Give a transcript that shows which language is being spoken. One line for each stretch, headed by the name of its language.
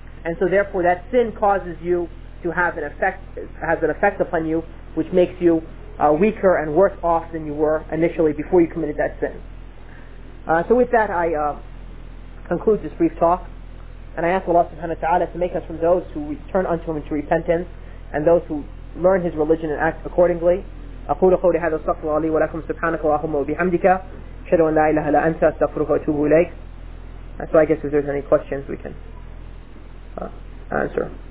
English: And so therefore that sin causes you to have an effect, has an effect upon you, which makes you weaker and worse off than you were initially before you committed that sin. So with that, I conclude this brief talk. And I ask Allah subhanahu wa ta'ala to make us from those who return unto Him to repentance and those who learn His religion and act accordingly.
Arabic: أقول قولي هذا استغفر الله لي ولكم سبحانك اللهم وبحمدك أشهد أن لا إله إلا أنت أستغفرك وأتوب إليك.
English: So I guess if there's any questions we can answer.